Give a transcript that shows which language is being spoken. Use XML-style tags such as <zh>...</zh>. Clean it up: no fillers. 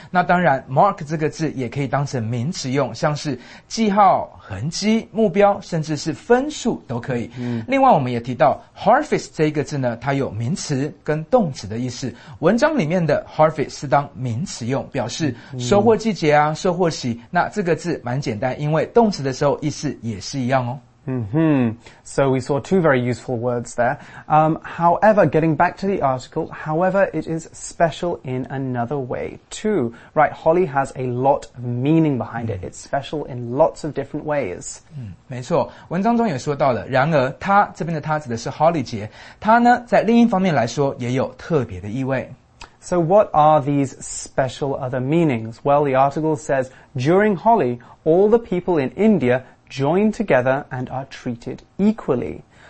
<zh>那当然 ,mark 这个字也可以当成名词用，像是记号、痕迹、目标，甚至是分数都可以。另外我们也提到 ,harvest 这一个字呢，它有名词跟动词的意思。文章里面的 harvest 是当名词用，表示收获季节啊、收获期。那这个字蛮简单，因为动词的时候意思也是一样哦。 Mm-hmm.</zh> <en>So we saw two very useful words there. However, getting back to the article, however, it is special in another way too. Right, Holi has a lot of meaning behind it. It's special in lots of different ways.</en> <zh>嗯，没错，文章中也说到了，然而它，这边的它指的是 Holi 节，它呢，在另一方面来说也有特别的意味。</zh> <en>So what are these special other meanings? Well, the article says, during Holi, all the people in India join together and are treated equally.</en>